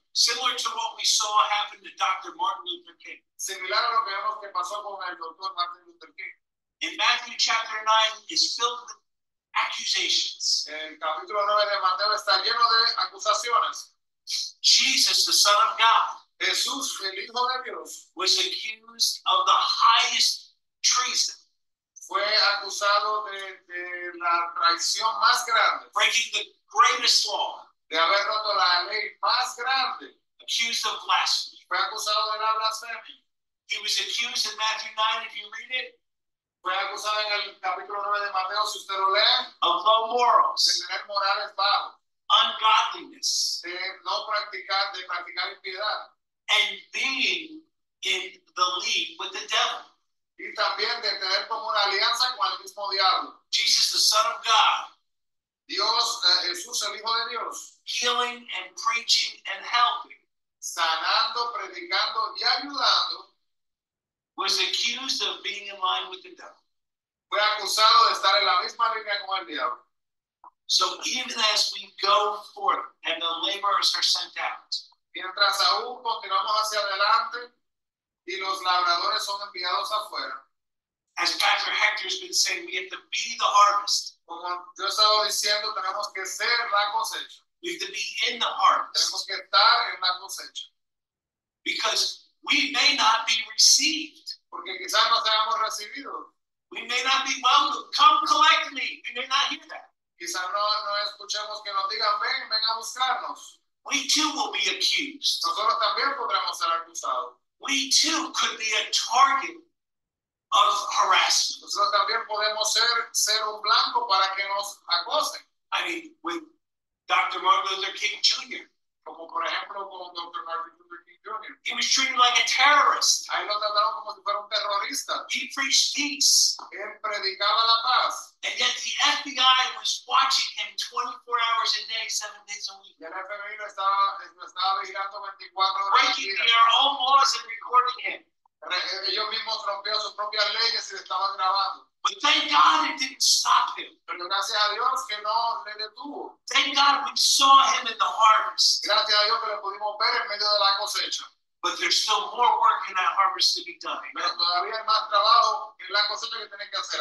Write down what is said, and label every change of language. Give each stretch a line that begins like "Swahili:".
English: similar to what we saw happen to Dr. Martin Luther King,
Spanish: similar a lo que vemos que pasó con el Dr. Martin Luther King.
English: In Matthew chapter 9 is filled with accusations.
Spanish: El capítulo 9 de Mateo está lleno de acusaciones.
English: Jesus, the Son of God,
Spanish: Jesús, el Hijo de Dios,
English: was accused of the highest treason.
Spanish: Fue acusado de la traición más grande.
English: Breaking the greatest law.
Spanish: De haber roto la ley más grande.
English: Accused of blasphemy.
Spanish: Fue acusado de la blasfemia.
English: He was accused in Matthew 9, if you read it.
Spanish: Fue acusado en el capítulo 9 de Mateo, si usted lo lee.
English: Of low morals.
Spanish: De tener morales bajos.
English: Ungodliness.
Spanish: De no practicar, de practicar impiedad.
English: And being in the league with the devil.
Spanish: Y también de tener como una alianza con el mismo diablo.
English: Jesus, the Son of God.
Spanish: Dios, Jesús, el Hijo de Dios.
English: Healing and preaching and helping.
Spanish: Sanando, predicando y ayudando.
English: Was accused of being in line with the devil.
Spanish: Fue acusado de estar en la misma línea con el diablo.
English: So even as we go forth and the laborers are sent out.
Spanish: Mientras aún continuamos hacia adelante y los labradores son enviados afuera.
English: As Pastor Hector has been saying, we have to be the harvest.
Spanish: Como yo estaba diciendo, tenemos que ser la cosecha.
English: We have to be in the harvest.
Spanish: Tenemos que estar en la cosecha.
English: Because we may not be received.
Spanish: Porque quizás no seamos recibidos.
English: We may not be welcome. Come collect me. We may not hear that.
Spanish: Quizá no escuchemos que nos digan, ven a buscarnos.
English: We too will be accused.
Spanish: Nosotros también podremos ser acusados.
English: We too could be a target of harassment.
Spanish: Nosotros también podemos ser un blanco para que nos acosen.
English: I mean, with Dr. Martin Luther King Jr.
Spanish: Como por ejemplo con Dr. Martin Luther King Jr.
English: He was treated like a terrorist.
Spanish: Ahí lo trataron como si fuera un terrorista.
English: He preached peace.
Spanish: Él predicaba la paz.
English: And yet the FBI was watching him 24 hours a day, 7 days a week.
Spanish: Y el FBI estaba vigilando 24 horas.
English: Breaking their own laws and recording him.
Spanish: Ellos mismos rompieron sus propias leyes y le estaban grabando.
English: But thank God it didn't stop him.
Spanish: Pero gracias a Dios que no le detuvo.
English: Thank God we saw him in the harvest.
Spanish: Gracias a Dios que lo pudimos ver en medio de la cosecha.
English: But there's still more work in that harvest to be done.
Spanish: Pero todavía hay más trabajo en la cosecha que tiene que hacer.